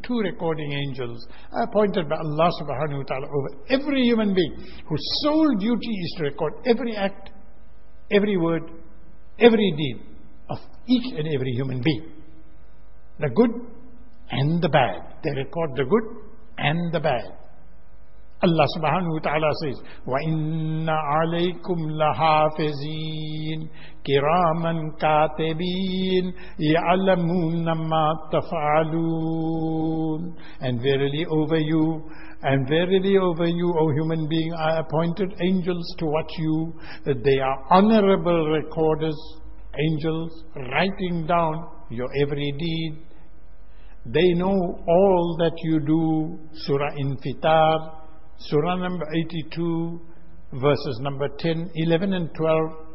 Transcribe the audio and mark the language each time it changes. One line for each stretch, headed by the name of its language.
English: Two recording angels appointed by Allah subhanahu wa ta'ala over every human being whose sole duty is to record every act, every word, every deed of each and every human being. The good and the bad. They record the good and the bad. Allah subhanahu wa ta'ala says,
Arabic: وَإِنَّ عَلَيْكُمْ لَحَافِزِينَ كِرَامًا كَاتِبِينَ يَعْلَمُونَ مَا تَفْعَلُونَ.
English: And verily over you, and verily over you, O human being, are appointed angels to watch you, that they are honorable recorders, angels writing down your every deed. They know all that you do. Surah Infitar, Surah number 82, verses number 10, 11 and 12.